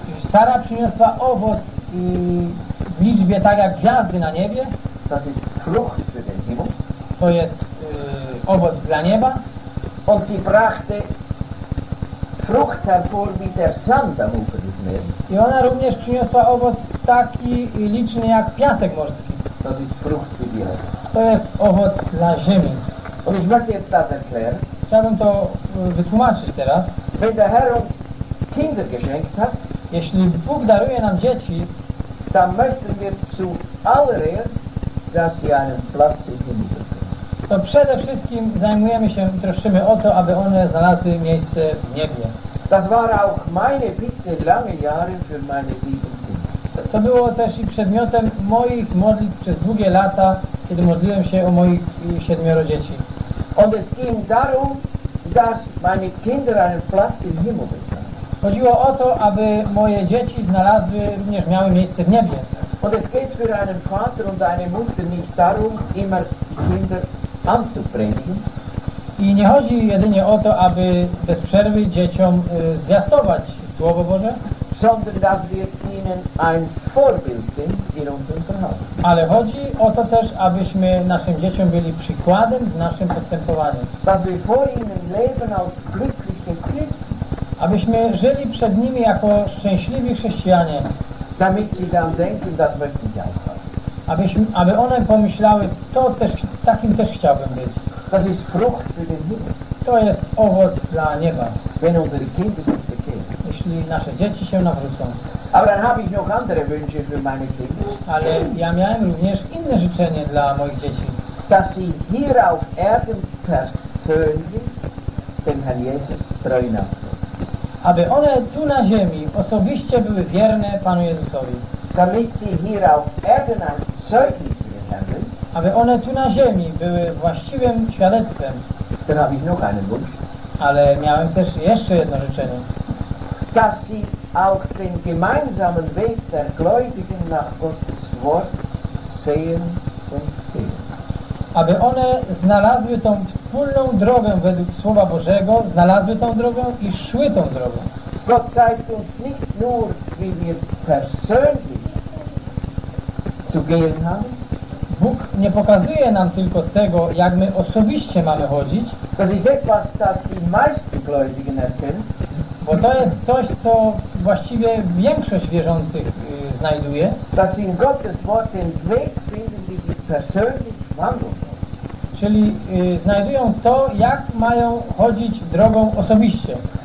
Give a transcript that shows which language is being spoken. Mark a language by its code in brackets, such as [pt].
[pl] Sara przyniosła owoc w liczbie tak jak gwiazdy na niebie. [de] Das ist Frucht für den Himmel. [pl] to jest owoc dla nieba. [de] Und sie brachte Frucht hervor wie der Sand am Ufer des Meeres. [pl] I ona również przyniosła owoc taki liczny jak piasek morski. [de] Das ist Frucht für die Erde. [pl] To jest owoc dla ziemi. [de] Und ich möchte jetzt das erklären. [pl] Chciałbym to wytłumaczyć teraz. [de] Wenn der Herr uns Kinder geschenkt hat, [pl] jeśli Bóg daruje nam dzieci, [de] dann möchten wir zuallererst, dass sie einen Platz in den Himmel bekommen. [pl] To przede wszystkim zajmujemy się i troszczymy o to, aby one znalazły miejsce w niebie. [de] Das war auch meine Bitte lange Jahre für meine sieben Kinder. [pl] To było też i przedmiotem moich modlitw przez długie lata, kiedy modliłem się o moich siedmioro dzieci. [de] Und es ging darum, dass meine Kinder einen Platz im Himmel bekommen. [pl] Chodziło o to, aby moje dzieci znalazły, również miały miejsce w niebie. [de] Und es geht für einen Vater und eine Mutter nicht darum, immer Kinder anzupredigen. [pl] I nie chodzi jedynie o to, aby bez przerwy dzieciom zwiastować Słowo Boże, [de] sondern dass wir ihnen ein Vorbild sind in unserem Verhalten. [pl] Ale chodzi o to też, abyśmy naszym dzieciom byli przykładem w naszym postępowaniu. [de] Dass wir vor ihnen leben als glückliche Christen. [pl] Abyśmy żyli przed nimi jako szczęśliwi chrześcijanie. [de] Damit sie dann denken, das möchte ich auch. [pl] Aby one pomyślały, to też, takim też chciałbym być. [de] Das ist Frucht für den Himmel. [pl] To jest owoc dla nieba. [de] Wenn unsere Kinder sich bekehren. [pl] Jeśli nasze dzieci się nawrócą. [de] Aber dann habe ich noch andere Wünsche für meine Kinder. [pl] Ale ja miałem również inne życzenie dla moich dzieci. [de] Dass sie hier auf Erden persönlich den Herrn Jesus treu nachfolgen. [pl] Aby one tu na ziemi osobiście były wierne Panu Jezusowi. [de] Damit sie hier auf Erden ein Zeugnis für den Herrn. [pl] Aby one tu na ziemi były właściwym świadectwem. [de] Dann habe ich noch einen Wunsch. [pl] Ale miałem też jeszcze jedno życzenie. [de] Dass sie auch den gemeinsamen Weg der Gläubigen nach Gottes Wort sehen und sehen. [pl] Aby one znalazły tą wspólną drogę według Słowa Bożego, znalazły tą drogę i szły tą drogą. [de] Gott zeigt uns nicht nur, wie wir persönlich zu gehen haben. [pl] Bóg nie pokazuje nam tylko tego, jak my osobiście mamy chodzić. [de] Das ist etwas, das die meisten Gläubigen erkennen. [pl] Bo to jest coś, co właściwie większość wierzących znajduje. [de] Dass in Gottes Wort den Weg finden, wie sie persönlich wandeln. [pl] Czyli znajdują to, jak mają chodzić drogą osobiście.